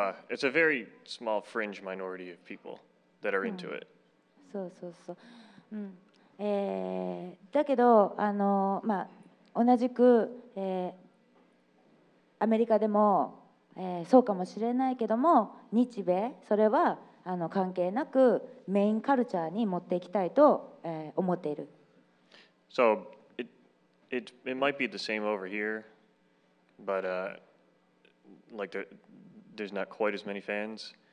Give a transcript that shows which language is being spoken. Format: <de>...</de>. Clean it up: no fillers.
<en>It's a very small fringe minority of people that are into it.</en> <ja>そうそうそう。だけど、まあ、同じく、アメリカでも、そうかもしれないけども、日米、それは関係なくメインカルチャーに持っていきたいと、思っている。</ja> <en>So it might be the same over here. But like there's not quite as many fans.</en>